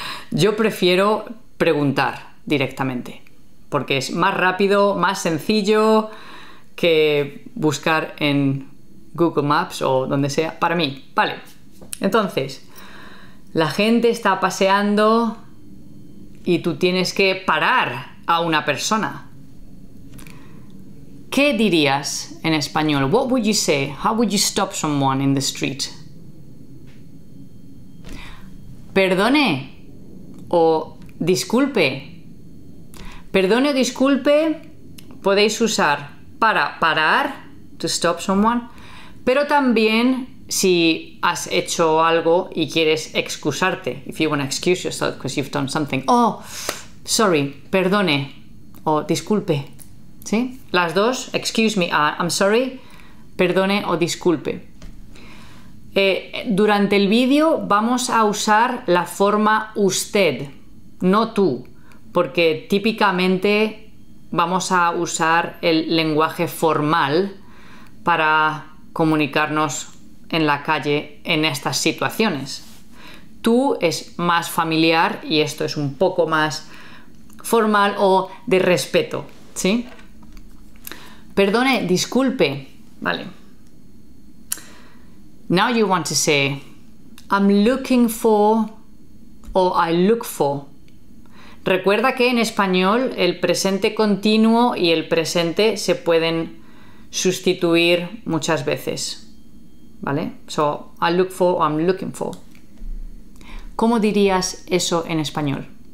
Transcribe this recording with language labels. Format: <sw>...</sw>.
<es>Yo prefiero preguntar directamente porque es más rápido, más sencillo que buscar en Google Maps o donde sea, para mí, ¿vale? Entonces, la gente está paseando y tú tienes que parar a una persona. ¿Qué dirías en español?</es> <en>What would you say? How would you stop someone in the street?</en> <es>Perdone o disculpe. Perdone o disculpe podéis usar para parar,</es> <en>to stop someone,</en> <es>pero también si has hecho algo y quieres excusarte.</es> <en>If you want to excuse yourself because you've done something. Oh, sorry,</en> <es>perdone o disculpe. ¿Sí? Las dos,</es> <en>excuse me, I'm sorry,</en> <es>perdone o disculpe. Durante el vídeo vamos a usar la forma usted, no tú, porque típicamente vamos a usar el lenguaje formal para comunicarnos en la calle en estas situaciones. Tú es más familiar y esto es un poco más formal o de respeto, ¿sí? Perdone, disculpe. Vale.</es> <en>Now you want to say, I'm looking for, or I look for.</en> <es>Recuerda que en español el presente continuo y el presente se pueden sustituir muchas veces. Vale.</es> <en>So, I look for, I'm looking for.</en> <es>¿Cómo dirías eso en español?</es>